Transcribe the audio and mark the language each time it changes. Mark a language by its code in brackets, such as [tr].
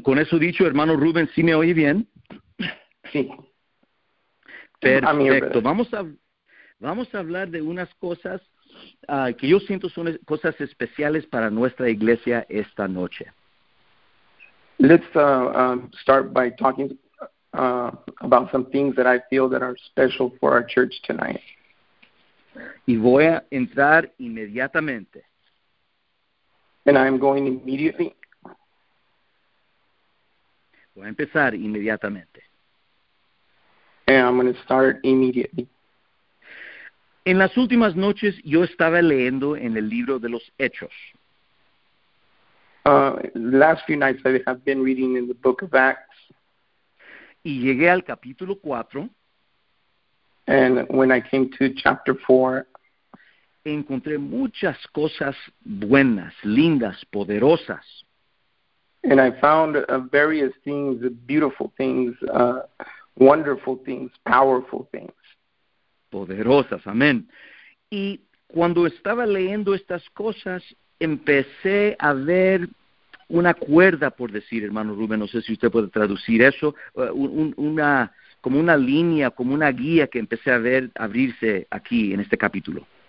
[es] Con eso dicho, hermano Rubén, ¿sí me oye bien? Sí. Perfecto. Vamos a hablar de unas cosas que yo siento son cosas especiales para nuestra iglesia esta noche. [en] Let's start by talking about some things that I feel that are special for our church tonight. [es] Y voy a entrar inmediatamente. [en] And I'm going immediately. [es] Voy a empezar inmediatamente. [en] And I'm going to start immediately. [es] En las últimas noches yo estaba leyendo en el libro de los Hechos. [en] Last few nights I have been reading in the book of Acts. [es] Y llegué al capítulo 4. [en] And when I came to chapter 4. [es] Encontré muchas cosas buenas, lindas, poderosas. [en] And I found various things, beautiful things, wonderful things, powerful things. [es] Poderosas, amén. Y cuando estaba leyendo estas cosas, empecé a ver una cuerda, por decir, hermano Rubén, no sé si usted puede traducir eso, una como una línea, como una guía que empecé a ver abrirse aquí en este capítulo.